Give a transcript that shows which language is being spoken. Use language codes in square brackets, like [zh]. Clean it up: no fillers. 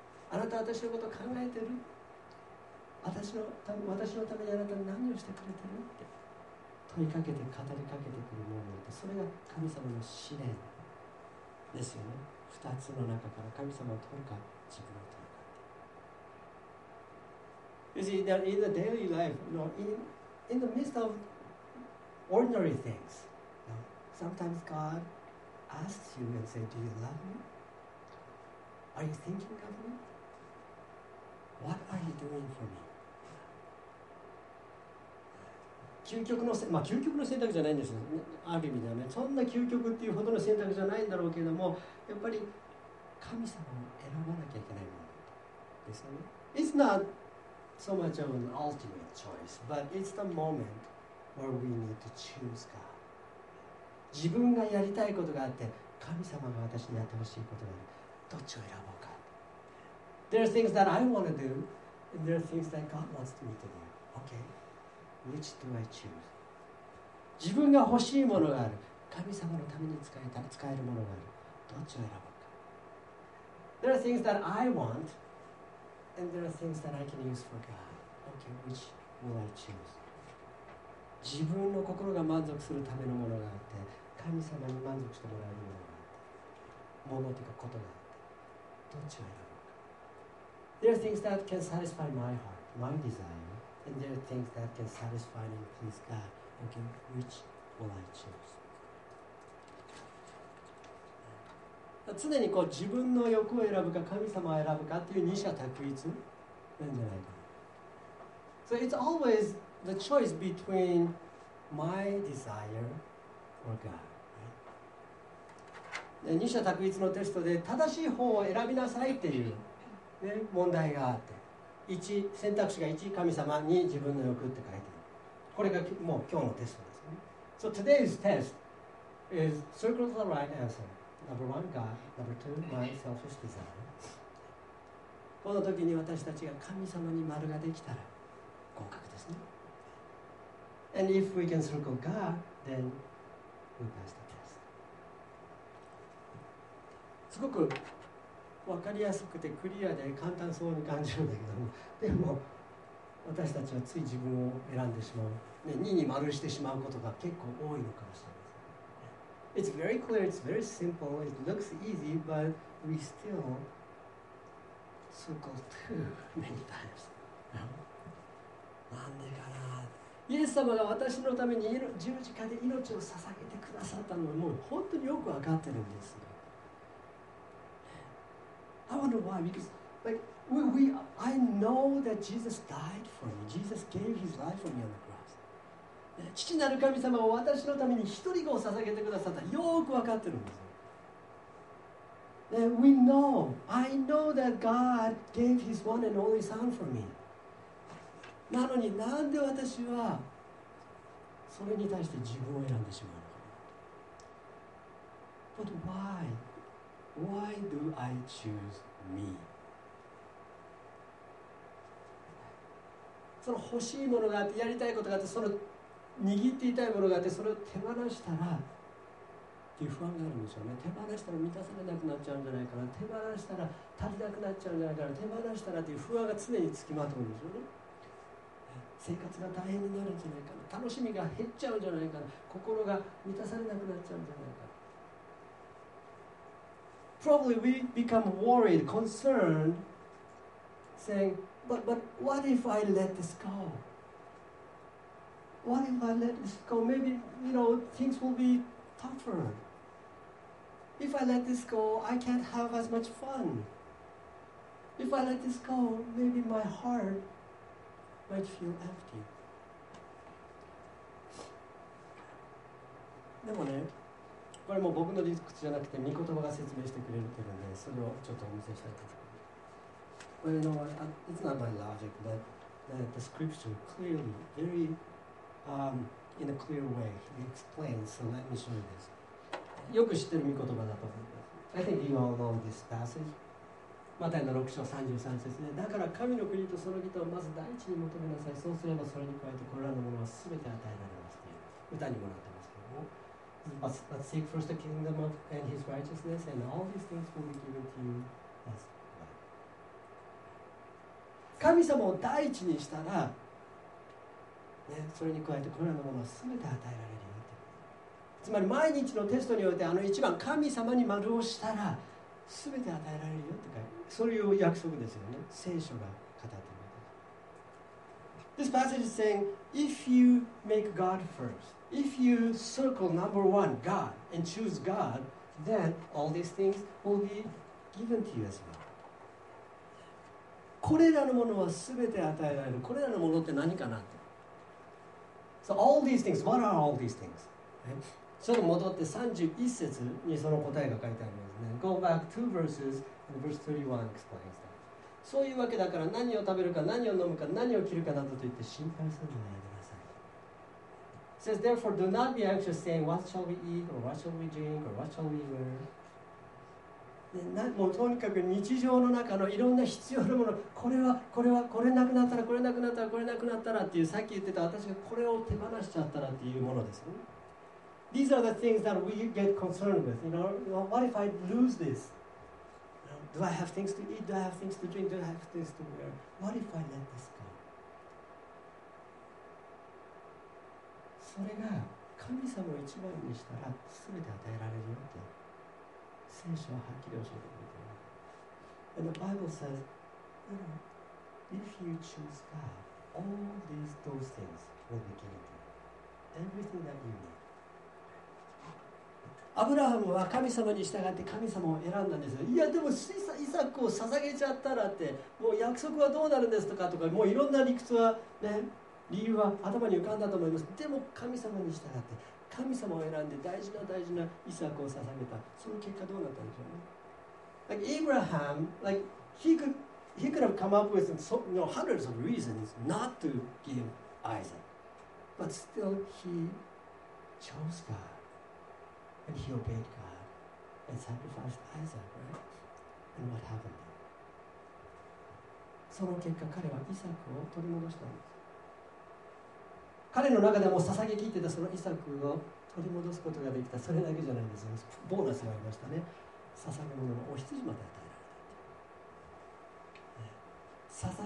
[ja] あなたは私のことを考えてる。私のためにあなたは何をしてくれてるって問いかけて語りかけてくるものだと、それが神様の試練ですよね。 2つの中から神様を取るか自分を取るか。 [en] You see that in the daily life, you know, in the midst of ordinary things, you know, sometimes God asks you and says, "Do you love me? Are you thinking of me? What are you doing for me?" [ja] 究極の選択じゃないんですよ。ある意味ではね、そんな究極っていうほどの選択じゃないんだろうけれども。やっぱり神様を選ばなきゃいけないものですよね。 [en] It's not so much of an ultimate choice, but it's the moment where we need to choose God. [ja] 自分がやりたいことがあって、神様が私にやってほしいことがある。どっちを選ぼうか。 [en] There are things that I want to do, and there are things that God wants me to do. Okay, which do I choose? [ja] 自分が欲しいものがある。神様のために使えるものがある。どっちを選ぶか。 [en] There are things that I want, and there are things that I can use for God. Okay, which will I choose? [ja] 自分の心が満足するためのものがあって、神様に満足してもらえるものがあって、ものというかことがあって、どっちを選ぶか。 [en] There are things that can satisfy my heart, my desire, and there are things that can satisfy and please God. Okay, which will I choose? [ja] 常にこう自分の欲を選ぶか神様を選ぶかっていう二者択一なんじゃないか。 [en] So it's always the choice between my desire or God.、Right? [ja] 二者択一のテストで正しい方を選びなさいっていう、ね、問題があって、 1、選択肢が1、神様に自分の欲って書いてある。これがもう今日のテストですね。 [en] So today's test is circle the right answer. Number one, God. Number two, my selfish desire. [ja] この時に私たちが神様に丸ができたら合格ですね。 [en] And if we can circle God, then we pass the test. [ja] すごく分かりやすくてクリアで簡単そうに感じるんだけども、でも私たちはつい自分を選んでしまう、ね、2に丸してしまうことが結構多いのかもしれません。 [en] It's very clear, it's very simple, it looks easy, but we still circle too many times. [ja] なんでかな。イエス様が私のために十字架で命を捧げてくださったのはもう本当によく分かってるんです。 [en] I wonder why, because like, I know that Jesus died for me. Jesus gave his life for me on the cross. [ja] 父なる神様を私のために一人子を捧げてくださった。よく分かってるんです。 [en] We know, I know that God gave his one and only son for me. [ja] なのになんで私はそれに対して自分を選んでしまうのか。 [en] But why? Why do I choose me? [ja] その欲しいものがあって、やりたいことがあって、その握っていたいものがあって、それを手放したらっていう不安があるんですよね。手放したら満たされなくなっちゃうんじゃないかな、手放したら足りなくなっちゃうんじゃないかな、手放したらっていう不安が常につきまとうんですよね。生活が大変になるんじゃないかな、楽しみが減っちゃうんじゃないかな、心が満たされなくなっちゃうんじゃないかな。 [en] Probably we become worried, concerned, saying, but what if I let this go? What if I let this go? Maybe, you know, things will be tougher. If I let this go, I can't have as much fun. If I let this go, maybe my heart might feel empty. [ja] でもね、これも僕の理屈じゃなくて御言葉が説明してくれてるんで、それをちょっとお見せしたいと思います。 [en] Well, you know, it's not my logic, but the scripture clearly, very, in a clear way, explains, so let me show you this. [ja] よく知ってる御言葉だと思います。 [en] I think you all know this passage. [ja] マタイの6章33節で、だから神の国とその義とをまず第一に求めなさい。そうすればそれに加えてこれらのものは全て与えられますという歌にもなってますけども。 [en] But seek first the kingdom of and his righteousness, and all these things will be given to you as well. [ja] 神様を第一にしたら、ね、それに加えてこれらのものは全て与えられるよって。つまり毎日のテストにおいてあの一番神様に丸をしたら全て与えられるよって、そういう約束ですよね。聖書が語っているわけです。 [en] This passage is saying, if you make God first,If you circle number one, God, and choose God, then all these things will be given to you as well. [ja] これらのものは全て与えられる。これらのものって何かなって。 [en] So all these things, what are all these things? [ja] ちょっと戻って31節にその答えが書いてありますね。 [en] Go back two verses, and verse 31 explains that. [ja] そういうわけだから何を食べるか、何を飲むか、何を着るかなどと言って心配するんじゃない。 [en] It says, therefore, do not be anxious saying, what shall we eat, or what shall we drink, or what shall we wear? [ja] もうとにかく日常の中のいろんな必要なもの、これはこれはこれなくなったら、これなくなったら、これなくなったらっていう、さっき言ってた私がこれを手放しちゃったらっていうものです。 [en] These are the things that we get concerned with. You know, what if I lose this? Do I have things to eat? Do I have things to drink? Do I have things to wear? What if I let this go? [ja] それが神様を一番にしたら全て与えられるよって聖書ははっきり教えてくれている。 [en] And the Bible says, if you choose God, all these those things will be given to you. Everything that you need. [ja] アブラハムは神様に従って神様を選んだんですよ。いやでもイサクを捧げちゃったらってもう約束はどうなるんですとかとかもういろんな理屈はね。理由は頭に浮かんだと思います。でも神様に従って神様を選んで大事な大事なイサクを捧げた。その結果どうなったんでしょうね。 [en] Like Abraham, like he could, He could have come up with hundreds of reasons not to give Isaac. But still, he chose God. And he obeyed God and sacrificed Isaac, right? And what happened? [ja] その結果、彼はイサクを取り戻したんです。彼の中でも捧げ切ってたそのイサクを取り戻すことができた。それだけじゃないんですよ。ボーナスがありましたね。捧げ物のお羊まで与えられた、ね。